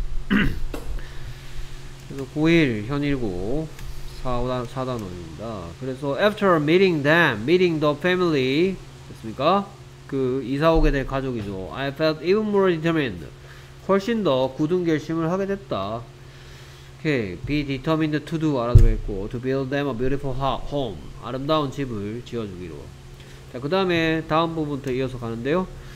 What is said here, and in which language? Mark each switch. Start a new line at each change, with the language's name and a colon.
Korean: 그래서 9일 현일구 4단원입니다.
English: 그래서 after meeting them, meeting the family, 됐습니까?
Korean: 그 이사 오게 된 가족이죠.
English: I felt even more determined.
Korean: 훨씬 더 굳은 결심을 하게 됐다.
English: Okay. Be determined to do
Korean: 알아들었고
English: to build them a beautiful home.
Korean: 아름다운 집을 지어주기로. 자, 그 다음에 다음 부분부터 이어서 가는데요.